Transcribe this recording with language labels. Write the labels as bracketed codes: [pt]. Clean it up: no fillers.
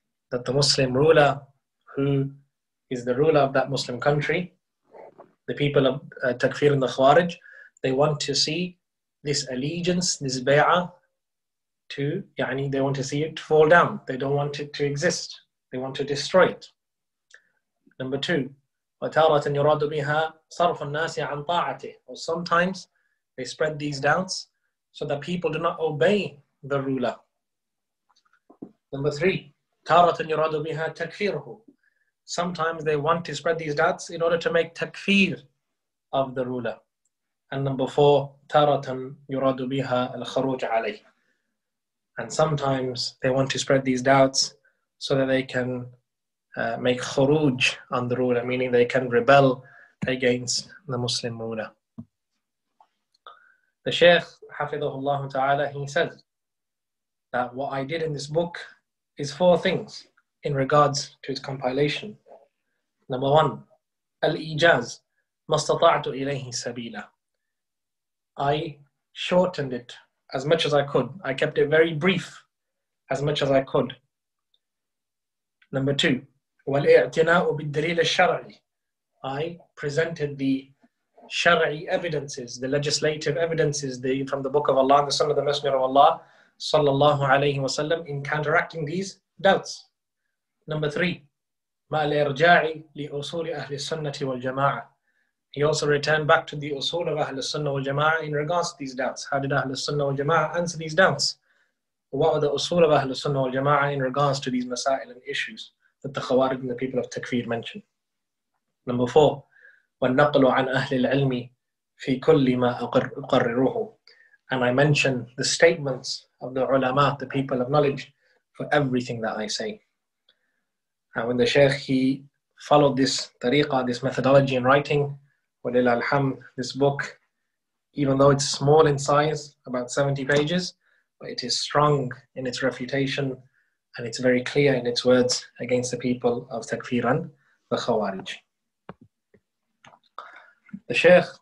[en] That the Muslim ruler, who is the ruler of that Muslim country, the people of Takfir and the Khawarij, they want to see this allegiance, this bay'ah, they want to see it fall down. They don't want it to exist. They want to destroy it. Number two, [ar] وَتَارَةً يُرَادُ بِهَا صَرْفُ النَّاسِ عَنْ طَاعَتِهِ. [en] Or sometimes they spread these doubts so that people do not obey the ruler. Number three, [ar] تَارَةً يُرَادُ بِهَا تَكْفِيرُهُ. [en] Sometimes they want to spread these doubts in order to make takfir of the ruler. And number four, [ar] تَارَةً يُرَادُ بِهَا الْخَرُوجَ عَلَيْهِ. [en] And sometimes they want to spread these doubts so that they can make khuruj on the ruler, meaning they can rebel against the Muslim ruler. The Shaykh, Hafidhullah Ta'ala, he says that what I did in this book is four things in regards to its compilation. Number one, [ar] al-ijaz, mastata'tu ilayhi sabila. [en] I shortened it as much as I could. I kept it very brief as much as I could. Number two, [ar] وَالْإِعْتِنَاءُ بِالدَّلِيلِ الشَّرْعِي. [en] I presented the shar'i evidences, the legislative evidences, the from the Book of Allah, the Sunnah of the Messenger of Allah, sallallahu alayhi wa sallam, in counteracting these doubts. Number three, [ar] مَا الْإِرْجَاعِ لِأُصُولِ أَهْلِ السُّنَّةِ وَالْجَمَاعَةِ. [en] He also returned back to the usul of Ahl al-Sunnah wal-Jama'ah in regards to these doubts. How did Ahl al-Sunnah wal-Jama'ah answer these doubts? What are the usul of Ahl al-Sunnah wal-Jama'ah in regards to these masail and issues that the Khawarij and the people of Takfir mention? Number four, [ar] وَالنَّقْلُ عَنْ أَهْلِ الْعِلْمِ فِي كُلِّ مَا أُقَرِّرُهُ. [en] And I mention the statements of the ulama, the people of knowledge, for everything that I say. And when the Shaykh, he followed this tariqah, this methodology in writing, [ar] وَلِلَّهِ الْحَمْدُ, [en] this book, even though it's small in size, about 70 pages, but it is strong in its refutation, and it's very clear in its words against the people of Takfir and the Khawarij. The Shaykh,